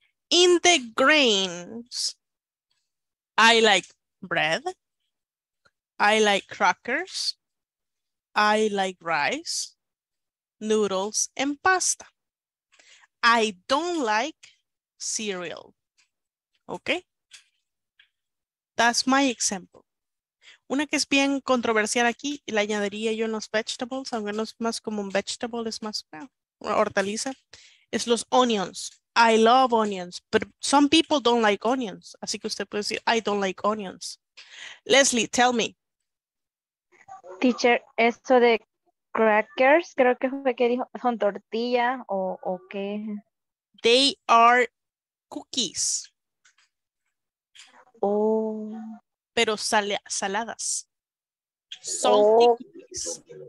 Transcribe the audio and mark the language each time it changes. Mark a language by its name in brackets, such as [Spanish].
[English] In the grains, I like bread, I like crackers, I like rice, noodles, and pasta. I don't like cereal. Okay. That's my example. [Spanish] Una que es bien controversial aquí, la añadiría yo en los vegetables, aunque no es más como un vegetable, es más una hortaliza, es los onions. [English] I love onions, but some people don't like onions. [Spanish] Así que usted puede decir, [English] I don't like onions. Leslie, tell me. [Spanish] Teacher, esto de crackers, creo que fue que dijo, son tortilla o qué. [English] They are cookies. Oh. [Spanish] Pero saladas. Son cookies.